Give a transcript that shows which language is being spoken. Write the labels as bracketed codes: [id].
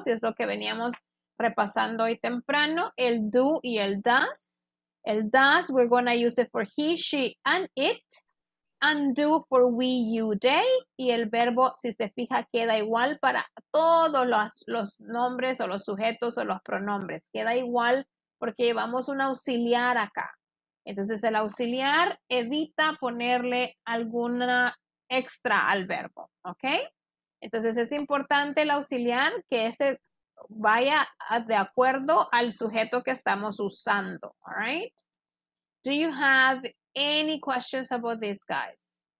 [es] Si es lo que veníamos repasando hoy temprano, el do y el does. [en] El does, we're going to use it for he, she, and it. And do for we, you, they. [es] Y el verbo, si se fija, queda igual para todos los nombres o los sujetos o los pronombres. Queda igual porque llevamos un auxiliar acá. Entonces, el auxiliar evita ponerle alguna extra al verbo, ¿ok? Entonces, es importante el auxiliar que ese vaya de acuerdo al sujeto que estamos usando, ¿all right? [en] Do you have any questions about this, guys?